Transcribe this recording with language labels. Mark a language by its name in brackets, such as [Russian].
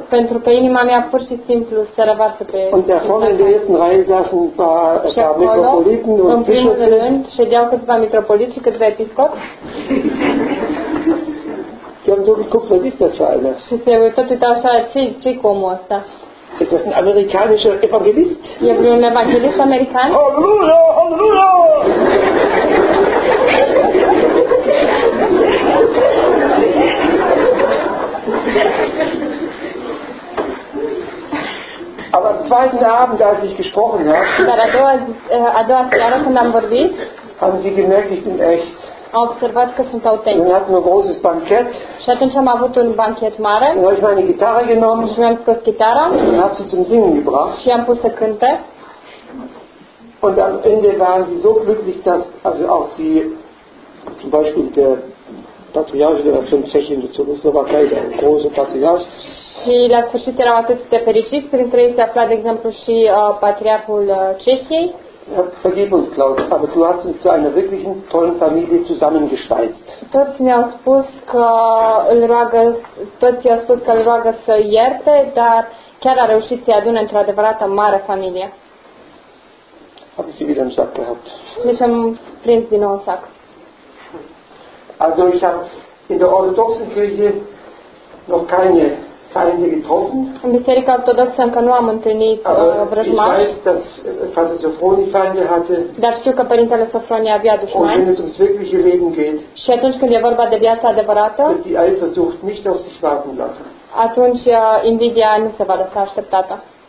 [Romanian] Pentru că inima mea pur și simplu se revarsă pe. [German] Und da vorne in der ersten Reihe saßen ein paar Metropoliten und Bischöfe. [Romanian] Și acolo, în primul rând, ședeau câțiva mitropoliți și câțiva episcopi. [German] Die haben so geguckt, was ist das für einer? [Romanian] Și se tot uita așa, ce-i cu omul ăsta? [German] Ist das ein amerikanischer Evangelist? [Romanian] E un evanghelist american? [German] Halleluja, halleluja! Aber am zweiten Abend, als ich gesprochen habe, haben sie gemerkt, ich bin echt. [Romanian] Observat că sunt autentic. [German] Wir hatten ein großes Bankett. [Romanian] Și atunci am avut un banchet mare. [German] Dann habe ich meine Gitarre genommen. [Romanian] Și mi-am scos chitara. [German] Und habe sie zum Singen gebracht. [Romanian] Și am pus să cânte. [German] Und am Ende waren sie so glücklich, dass also auch die, zum Beispiel der Patriarch, der was von Tschechien zu Slowakei, der große Patriarch. [Romanian] Și la sfârșit erau atât de fericiți, printre ei se afla, de exemplu, și Patriarhul Cehiei. [German] Vergib uns, Klaus, aber du hast uns zu einer wirklichen tollen Familie zusammengeschweißt. [Romanian] Toți mi-au spus că îl roagă, să ierte, dar chiar a reușit să-i adune într-o adevărată mare familie. [German] Habe ich sie wieder im Sack gehabt. [Romanian] Deci am prins din nou în sac. [German] Also ich habe in der orthodoxen Kirche noch keine Feinde getroffen. [Romanian] In Biserica Ortodoxă încă nu am întâlnit vrăjmași. [German] Ich weiß, dass Vater Sofroni Feinde hatte. [Romanian] Dar știu că Părintele Sofronie avea dușmani. [German] Und wenn es ums wirkliche Leben geht. [Romanian] Și atunci când e vorba de viața adevărată. [German] Wird die Eifersucht nicht auf sich warten lassen. [Romanian] Atunci invidia nu se va lăsa așteptată.